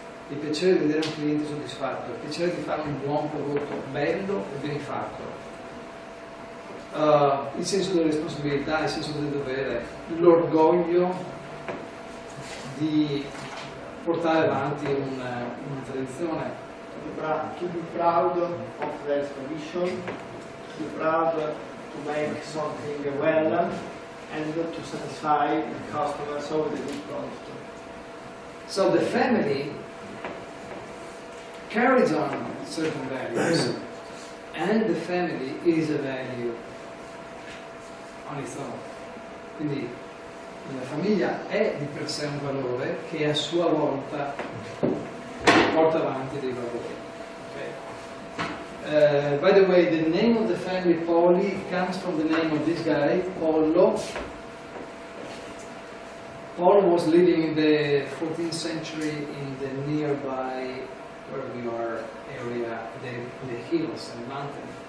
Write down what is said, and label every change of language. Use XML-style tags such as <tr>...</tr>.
<it>Il piacere di vedere un cliente soddisfatto, il piacere di fare un buon prodotto, bello e ben fatto. Il senso della responsabilità, il senso del dovere, l'orgoglio di portare avanti una tradizione.</it> <en>To be proud of the tradition, to be proud to make something well, and to satisfy the customers over the good product. So the family carries on certain values, and the family is a value on its own.</en> <it>Quindi la famiglia è di per sé un valore che a sua volta porta avanti dei valori.</it> <en>Okay. By the way, the name of the family, Poli, comes from the name of this guy, Pollo. Paul was living in the 14th century in the nearby, where we are, area, the hills and mountains.</en>